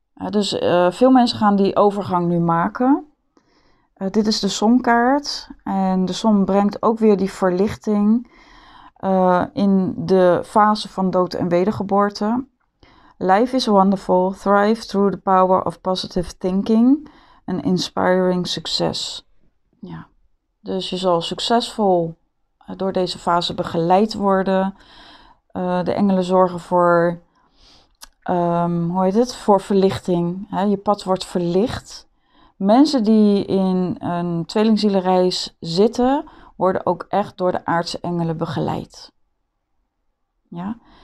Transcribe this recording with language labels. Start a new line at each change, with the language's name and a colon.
Dutch: Dus veel mensen gaan die overgang nu maken. Dit is de zonkaart. En de zon brengt ook weer die verlichting. In de fase van dood en wedergeboorte.
English: Life is wonderful. Thrive through the power of positive thinking and inspiring success.
Dutch: Ja. Dus je zal succesvol door deze fase begeleid worden. De engelen zorgen voor, hoe heet het? Voor verlichting. Hè? Je pad wordt verlicht. Mensen die in een tweelingzielenreis zitten, worden ook echt door de aartsengelen begeleid. Ja?